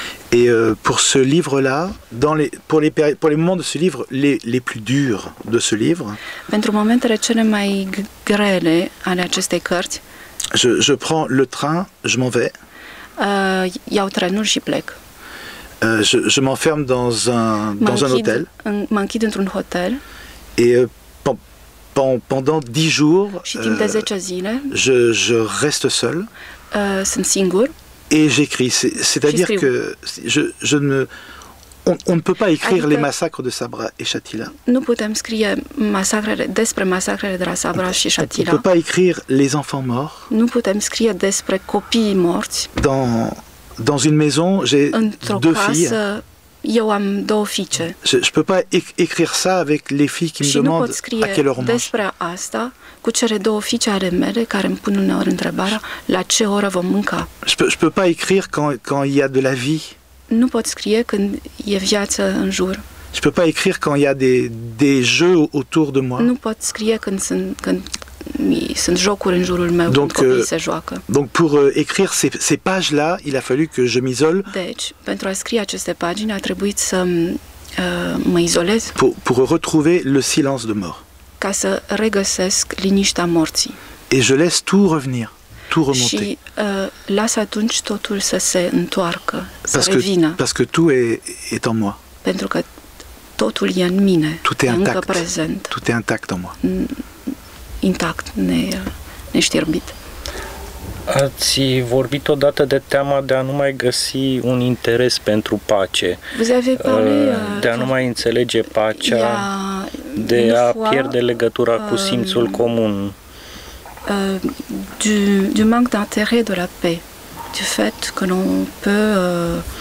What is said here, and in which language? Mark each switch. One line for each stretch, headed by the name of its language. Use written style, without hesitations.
French: Et pour ce livre-là, dans les, pour les moments de ce livre, les plus durs de ce livre.
Romanian: Pentru momentele cele mai grele ale acestei cărți.
French: Je prends le train, je m'en vais.
Romanian: Iau trenul și plec.
French: Je m'enferme dans un hôtel.
Romanian: M'închid într-un hotel.
French: Et pendant 10 jours.
Romanian: Și timp de 10 zile.
French: Je reste seul.
Romanian: Sunt singur.
French: Et j'écris, c'est-à-dire que on ne peut pas écrire les massacres de Sabra et Shatila.
Romanian: Nu putem scrie masacrele despre masacrele de la Sabra și Shatila.
French: On ne peut pas écrire les enfants morts.
Romanian: Nu putem scrie despre copiii morți.
French: Dans une maison, j'ai deux filles.
Romanian: Eu am două fiice.
French: Je peux pas écrire ça avec les filles qui me demandent à quelle heure on mange.
Romanian: Despre asta cu cele două fiice ale mele care îmi pun uneori întrebarea la ce oră vom mânca.
French: Je peux pas écrire quand il y a de la vie.
Romanian: Nu pot scrie când e viață în jur.
French: Je peux pas écrire quand il y a des jeux autour de moi.
Romanian: Nu pot scrie când sunt jocuri în jurul meu,
French: donc,
Romanian: când copiii se joacă.
French: Donc pour écrire ces pages-là, il a fallu que je m'isole.
Romanian: Deci, pentru a scrie aceste pagini, a trebuit să mă izolez.
French: Pour retrouver le silence de mort.
Romanian: Ca să regăsesc liniștea morții.
French: Et je laisse tout revenir, tout remonter.
Romanian: Și las atunci totul să se întoarcă, parce să revină.
French: Parce que tout est en moi.
Romanian: Pentru că totul e în mine,
French: tout est
Romanian: încă prezent.
French: Tout est intact en moi.
Romanian: Intact, neștierbit. Ați vorbit odată de teama de a nu mai găsi un interes pentru pace, de a nu mai înțelege pacea, de a pierde legătura cu simțul comun.
French: Du manque d'intérêt de la paix, du fait que l'on peut...